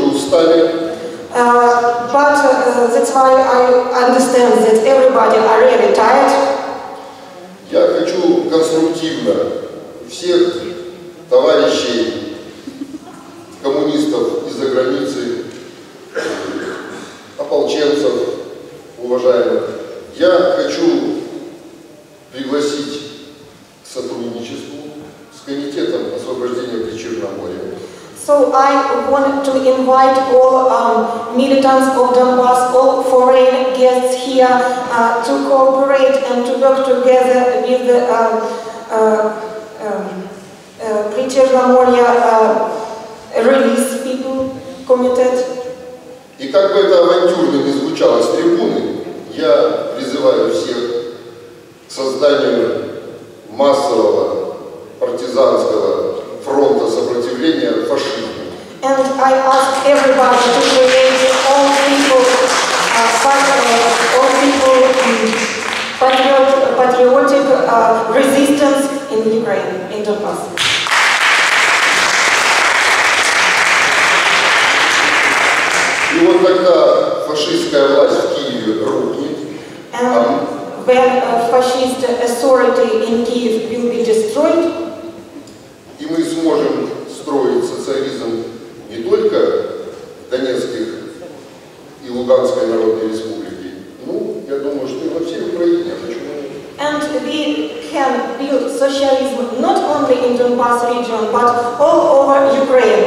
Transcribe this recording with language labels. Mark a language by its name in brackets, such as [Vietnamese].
[English] That's why I understand that everybody are really tired. [Russian] Я хочу конструктивно всех товарищей коммунистов из-за границы, ополченцев, уважаемых, я хочу пригласить к сотрудничеству с комитетом освобождения при Черноморье. [English] So I wanted to invite all militants of Donbas, all foreign guests here to cooperate and to work together with the Причерноморья Release People Committee. [Russian] И как бы это авантюрно не звучало с трибуны, я призываю всех к созданию массового партизанского фронта сопротивления фашизму. [English] And I ask everybody to create all people, all people patriotic resistance in Ukraine, in Donbas. [Russian] И вот тогда фашистская власть в Киеве рухнет. [English] And when fascist authority in Kiev will be destroyed, [Russian] и мы сможем строить социализм не только в Донецких и Луганской Народной Республике, ну, я думаю, что и во всей Украине, почему нет. [English] And we can build socialism not only in Donbas region, but all over Ukraine.